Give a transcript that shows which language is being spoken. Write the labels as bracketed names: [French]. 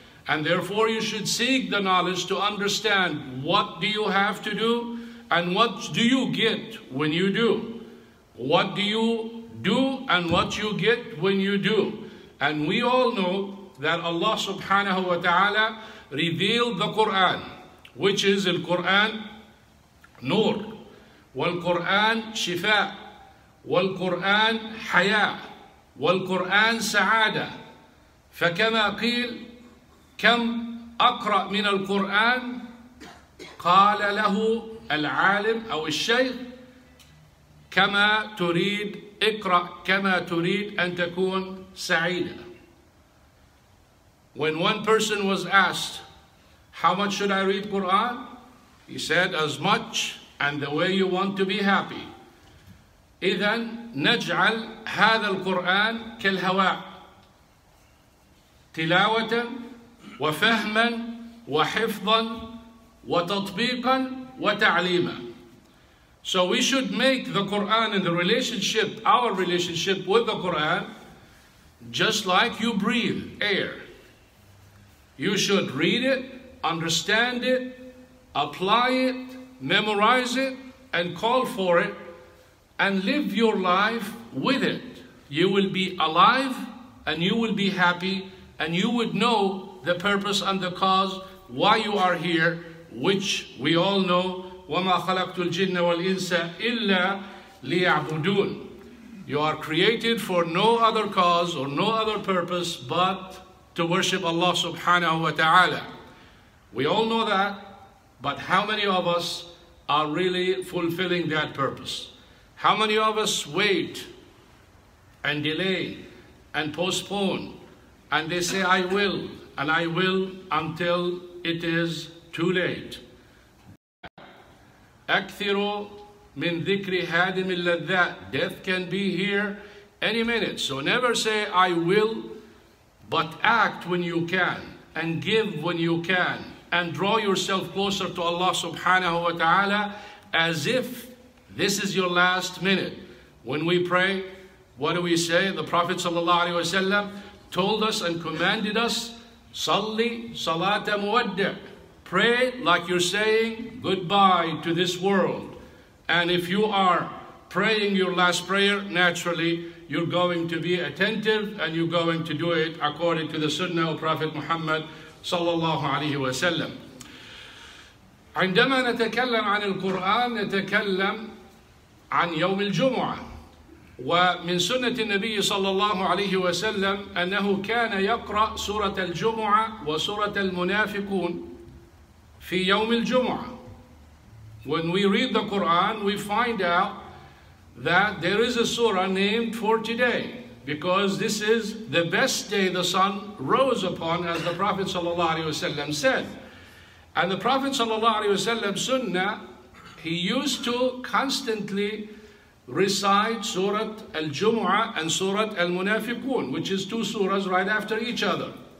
[English] And therefore you should seek the knowledge to understand what do you have to do and what do you get when you do. What do and what you get when you do. And we all know that Allah subhanahu wa ta'ala revealed the Quran, which is al-Quran, Nur, [Arabic] والقرآن شفاء، والقرآن حياة، والقرآن سعادة. فكما قيل: كم أقرأ من القرآن؟ قال له العالم أو الشيخ: كما تريد، اقرأ كما تريد أن تكون سعيدة. [English] When one person was asked, how much should I read Quran? He said, as much and the way you want to be happy. [Arabic] إذن نجعل هذا القرآن كالهواء، تلاوة وفهما وحفظا وتطبيقا وتعليما. [English] So we should make the Quran and the relationship, our relationship with the Quran, just like you breathe air. You should read it, understand it, apply it, memorize it, and call for it, and live your life with it. You will be alive, and you will be happy, and you would know the purpose and the cause why you are here, which we all know. [Arabic] وَمَا خَلَقْتُ الْجِنَّ وَالْإِنسَ إِلَّا لِيَعْبُدُونَ. [English] You are created for no other cause or no other purpose but to worship Allah subhanahu wa ta'ala. We all know that, but how many of us are really fulfilling that purpose? How many of us wait and delay and postpone, and they say, I will, and I will, until it is too late? [Arabic] أكثروا من ذكر هادم اللذات. [English] Death can be here any minute. So never say I will, but act when you can, and give when you can, and draw yourself closer to Allah subhanahu wa ta'ala as if this is your last minute. When we pray, what do we say? The Prophet sallallahu alayhi wa sallam told us and commanded us, [Arabic] صلي صلاة مودع. [English] Pray like you're saying goodbye to this world. And if you are praying your last prayer, naturally you're going to be attentive and you're going to do it according to the sunnah of Prophet Muhammad sallallahu alayhi wa sallam. [Arabic] عندما نتكلم عن القرآن نتكلم عن يوم الجمعة. ومن سنة النبي صلى الله عليه وسلم أنه كان يقرأ سورة الجمعة وسورة المنافقون في يوم الجمعة. [English] When we read the Quran, we find out that there is a surah named for today, because this is the best day the sun rose upon, as the Prophet sallallahu alaihi wasallam said. And the Prophet sallallahu alaihi wasallam sunnah, he used to constantly recite Surah Al-Jumu'ah and Surah Al-Munafiqun, which is two surahs right after each other.